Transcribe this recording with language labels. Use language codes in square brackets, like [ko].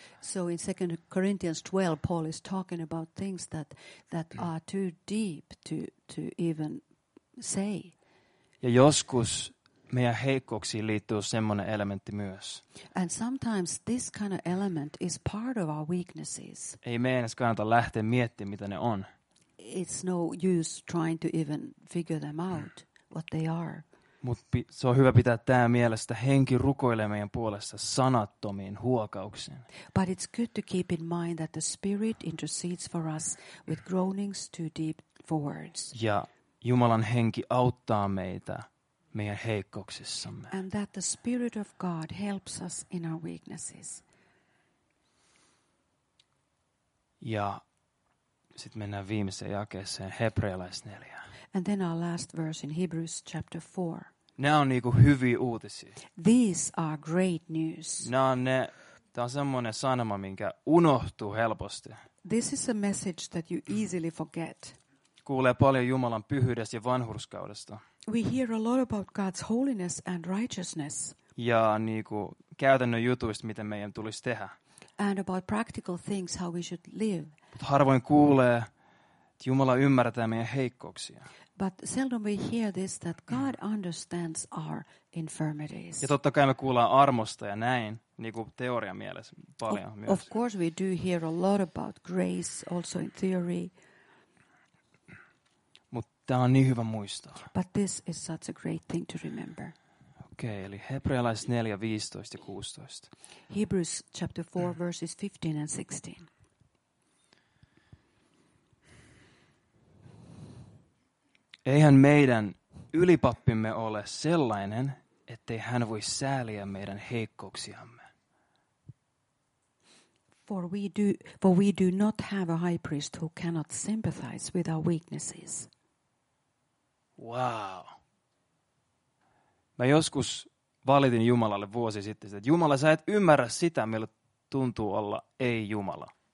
[en] So in 2 Corinthians 12, Paul is talking about things that are too deep to even say. [fi] Ja joskus meidän heikkouksiin liittyy semmoinen elementti myös. [en] And sometimes this kind of element is part of our weaknesses. [fi] Ei meidän edes kannata lähteä miettimään, mitä ne on. [en] It's no use trying to even figure them out, what they are. [fi] Mut se on hyvä pitää tämä mielessä, henki rukoilee meidän puolesta sanattomiin huokauksiin. [en] But it's good to keep in mind that the Spirit intercedes for us with groanings too deep for words. [fi] Ja Jumalan henki auttaa meitä meidän heikkouksissamme. [en] And that the Spirit of God helps us in our weaknesses. [fi] Ja sitten mennään viimeiseen jakeeseen, Hebrealaisneljä. [en] And then our last verse in Hebrews chapter 4. [fi] Nämä on niinku hyviä uutisia. [en] These are great news. [fi] Tämä on semmoinen sanoma, minkä unohtuu helposti. [en] This is a message that you easily forget. [fi] Kuulee paljon Jumalan pyhyydestä ja vanhurskaudesta. [en] We hear a lot about God's holiness and righteousness. [fi] Ja niinku käytännön jutuista, mitä meidän tulisi tehdä. [en] And about practical things, how we should live. [fi] Mut harvoin kuulee, että Jumala ymmärtää meidän heikkouksia. [en] But seldom we hear this, that God understands our infirmities. [fi] Ja totta kai me kuullaan armosta ja näin, niin kuin teoria mielessä paljon myös. [en] Of course we do hear a lot about grace, also in theory. [fi] Mut tämä on niin hyvä muistaa. [en] But this is such a great thing to remember. [fi] Okei, eli Hebrealais 4, 15 ja 16. [en] Hebrews chapter 4, verses 15 and 16. [fi] Eihän meidän ylipappimme ole sellainen, ettei hän voi sääliä meidän heikkouksiamme. [en] For we do not have a high priest who cannot sympathize with our weaknesses. Wow. [fi] Mä joskus valitin Jumalalle vuosi sitten, että Jumala, sä et ymmärrä sitä, millä tuntuu olla ei Jumala.